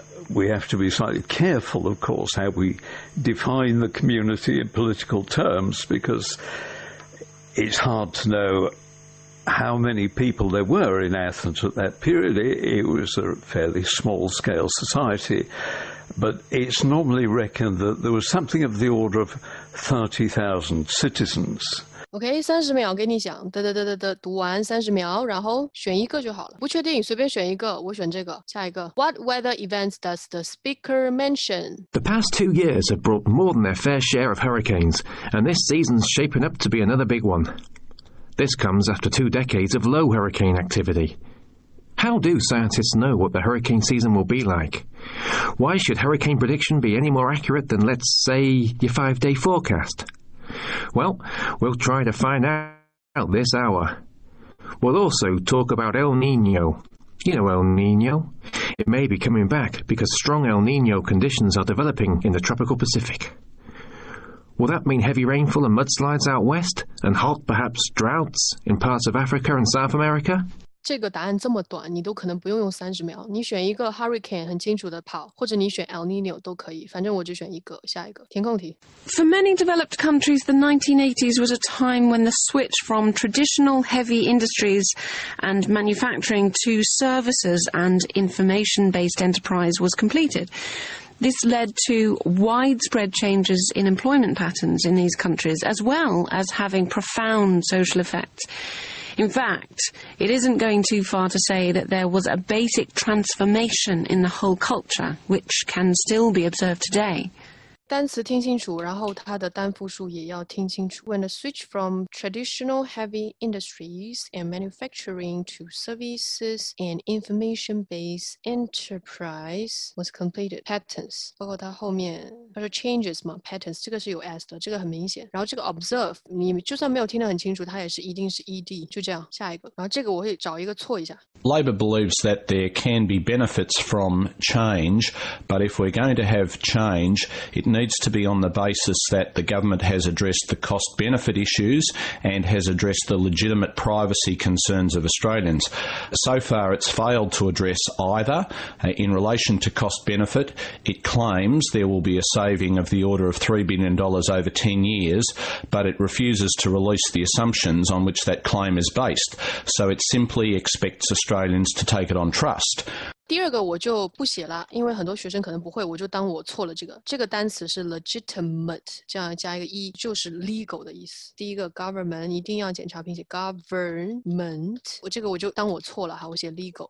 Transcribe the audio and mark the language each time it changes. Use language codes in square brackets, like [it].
[en] We have to be slightly careful, of course, how we define the community in political terms, because it's hard to know how many people there were in Athens at that period. It was a fairly small-scale society. But it's normally reckoned that there was something of the order of 30,000 citizens. [zh] OK, 30秒给你讲，得得得得得，读完30秒，然后选一个就好了。不确定，随便选一个，我选这个，下一个。 [en] What weather events does the speaker mention? The past 2 years have brought more than their fair share of hurricanes, and this season's shaping up to be another big one. This comes after 2 decades of low hurricane activity. How do scientists know what the hurricane season will be like? Why should hurricane prediction be any more accurate than, let's say, your 5-day forecast? Well, we'll try to find out this hour. We'll also talk about El Niño. You know El Niño? It may be coming back because strong El Niño conditions are developing in the tropical Pacific. Will that mean heavy rainfall and mudslides out west, and hot, perhaps, droughts in parts of Africa and South America? [zh] 这个答案这么短，你都可能不用用三十秒。你选一个 hurricane 很清楚的跑，或者你选 El Nino 都可以。反正我就选一个，下一个填空题。 [en] For many developed countries, the 1980s was a time when the switch from traditional heavy industries and manufacturing to services and information-based enterprise was completed. This led to widespread changes in employment patterns in these countries, as well as having profound social effects. In fact, it isn't going too far to say that there was a basic transformation in the whole culture, which can still be observed today. [zh] 单词听清楚，然后它的单复数也要听清楚。 [en] When the switch from traditional heavy industries and manufacturing to services and information-based enterprise was completed, patterns [zh] 包括它后面它说 changes 嘛 ，patterns 这个是有 s 的，这个很明显。然后这个 observe 你就算没有听得很清楚，它也是一定是 ed， 就这样。下一个，然后这个我会找一个错一下。 [en] Labor believes that there can be benefits from change, but if we're going to have change, it needs to be on the basis that the government has addressed the cost-benefit issues and has addressed the legitimate privacy concerns of Australians. So far, it's failed to address either. In relation to cost-benefit, it claims there will be a saving of the order of $3 billion over 10 years, but it refuses to release the assumptions on which that claim is based. So it simply expects Australians to take it on trust. [zh] 第二个我就不写了，因为很多学生可能不会，我就当我错了这个。这个单词是 legitimate， 这样加一个 e 就是 legal 的意思。第一个 government 一定要检查并且 government， 我这个我就当我错了哈，我写 legal。